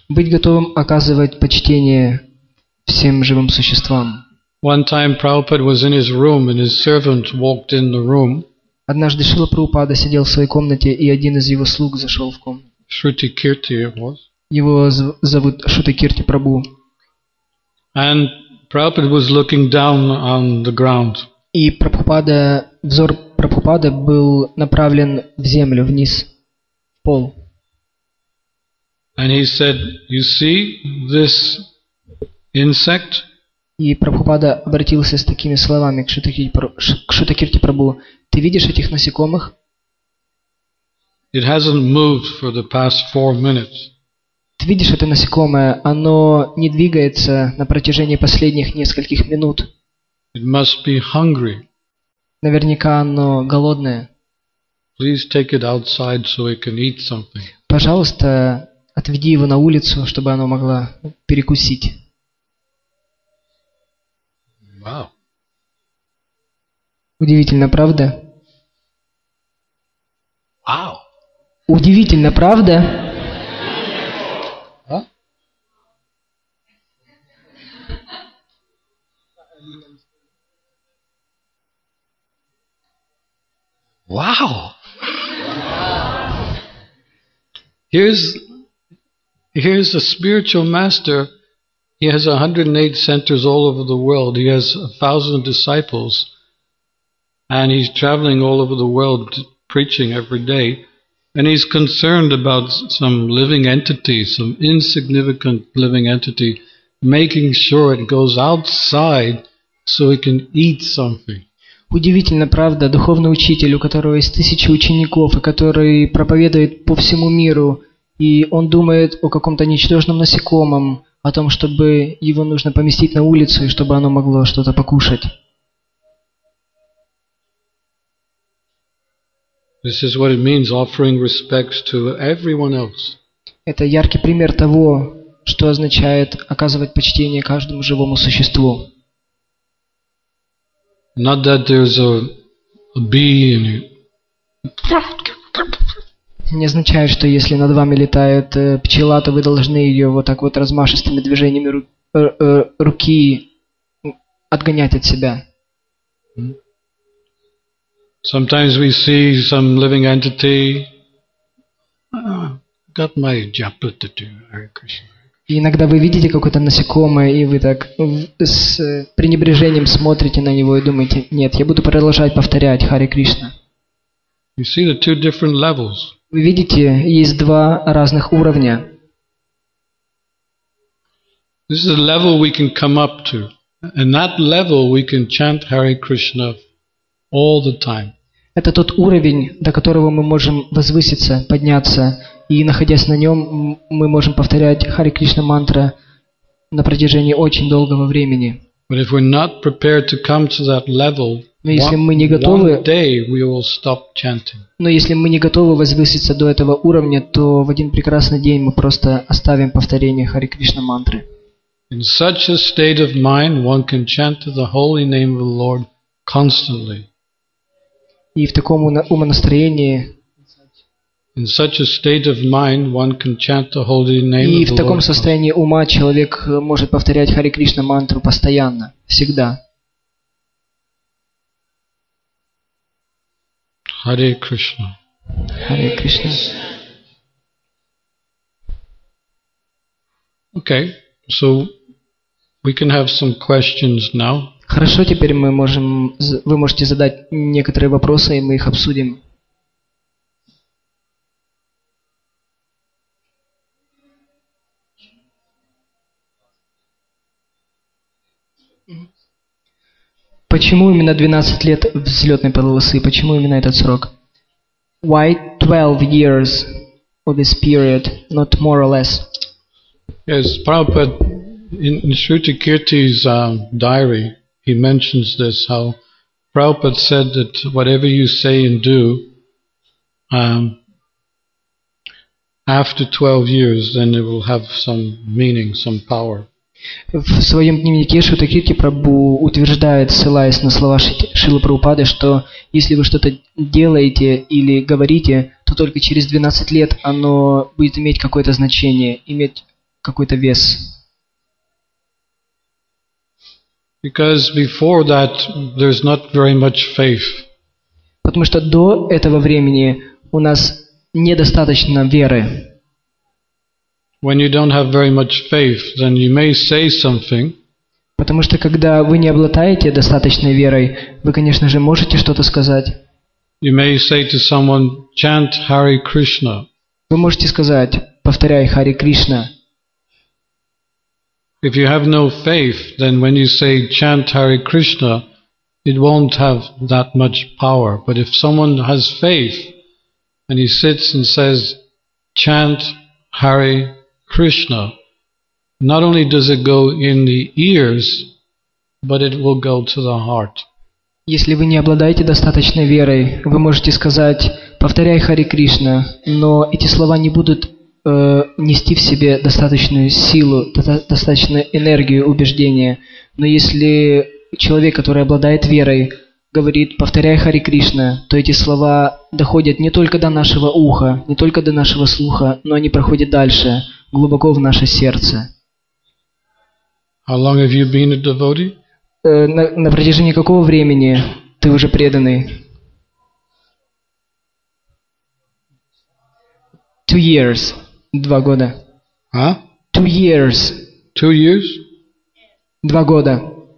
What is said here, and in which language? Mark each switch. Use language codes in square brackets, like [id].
[ru] Быть готовым оказывать почтение всем живым существам. [en] One time Prabhupada was in his room and his servant walked in the room. [ru] Однажды Шрила Прабхупада сидел в своей комнате, и один из его слуг зашел в комнату. [en] Шрути Кирти was. [ru] Его зовут Шрути Кирти Прабу. [en] And Prabhupada was looking down on the ground. [ru] И Прабхупада, взор Прабхупада был направлен в землю, вниз, в пол. [en] And he said, "You see this insect?" [ru] И Прабхупада обратился с такими словами к Шрути Кирти Прабу: "Ты видишь этих насекомых?" [en] It hasn't moved for the past 4 minutes. [ru] Ты видишь это насекомое? Оно не двигается на протяжении последних нескольких минут. [en] It must be hungry. [ru] Наверняка оно голодное. [en] Please take it outside so it can eat something. [ru] Пожалуйста, отведи его на улицу, чтобы оно могло перекусить. [en] Wow. [ru] Удивительно, правда? [en] Wow. [ru] Удивительно, правда? А? Вау! [en] Here's a spiritual master He has 108 centers all over the world. He has 1,000 disciples. And he's traveling all over the world preaching every day. And he's concerned about some living entity, some insignificant living entity, making sure it goes outside so it can eat something. [ru] Удивительно, правда, духовный учитель, у которого есть тысячи учеников, и который проповедует по всему миру, и он думает о каком-то ничтожном насекомом, о том, чтобы его нужно поместить на улицу, и чтобы оно могло что-то покушать. [en] This is what it means, offering respects to everyone else. [ru] Это яркий пример того, что означает оказывать почтение каждому живому существу. [en] Not that there's a bee in you. [ru] Не означает, что если над вами летает пчела, то вы должны ее вот так вот размашистыми движениями руки отгонять от себя. [en] Sometimes we see some living entity. Got my japa to do, Hare Krishna. [ru] И иногда вы видите какое-то насекомое, и вы так с пренебрежением смотрите на него и думаете: нет, я буду продолжать повторять Харе Кришна. [en] You see the two different levels. [ru] Вы видите, есть два разных уровня. [en] This is a level we can come up to, and that level we can chant Hare Krishna all the time. [ru] Это тот уровень, до которого мы можем возвыситься, подняться, и находясь на нем, мы можем повторять Харе Кришна мантра на протяжении очень долгого времени. [en] But if we're not prepared to come to that level, [ru] но если мы не готовы, [en] one day we will stop chanting. [ru] Но если мы не готовы возвыситься до этого уровня, то в один прекрасный день мы просто оставим повторение Харе Кришна мантры. [en] In such a state of mind, one can chant the holy name of the Lord constantly. [ru] И в таком умонастроении, [en] in such a state of mind, one can chant the holy name. [ru] И в таком состоянии ума человек может повторять Харе Кришна мантру постоянно, всегда. Харе Кришна. Харе Кришна. [en] Okay, so we can have some questions now. [ru] Хорошо, теперь мы можем, вы можете задать некоторые вопросы, и мы их обсудим. Почему именно 12 лет взлетной полосы? Почему именно этот срок? [en] Why 12 years of this period, not more or less? Yes, Prabhupada, in Shruti Kirti's diary, he mentions this, how Prabhupada said that whatever you say and do after 12 years, then it will have some meaning, some power. [ru] В своем дневнике Шрута Кирти Прабху утверждает, ссылаясь на слова Шрилы Прабхупады, что если вы что-то делаете или говорите, то только через 12 лет оно будет иметь какое-то значение, иметь какой-то вес. [en] Because before that, there's not very much faith. [ru] Потому что до этого времени у нас недостаточно веры. [en] When you don't have very much faith, then you may say something. [ru] Потому что когда вы не обладаете достаточной верой, вы, конечно же, можете что-то сказать. [en] You may say to someone, chant Hare Krishna. [ru] Вы можете сказать, повторяй Харе Кришна. [en] If you have no faith, then when you say chant Hare Krishna, it won't have that much power. But if someone has faith and he sits and says chant Hare Krishna, not only does it go in the ears, but it will go to the heart. [ru] Если вы не обладаете достаточной верой, вы можете сказать повторяй Харе Кришна, но эти слова не будут нести в себе достаточную силу, достаточную энергию убеждения. Но если человек, который обладает верой, говорит «повторяй Харе Кришна», то эти слова доходят не только до нашего уха, не только до нашего слуха, но они проходят дальше, глубоко в наше сердце. [en] How long have you been a devotee? [ru] На протяжении какого времени ты уже преданный? [en] 2 years. [ru] 2 года. А? [en] Two years. Two years? [ru] Два года.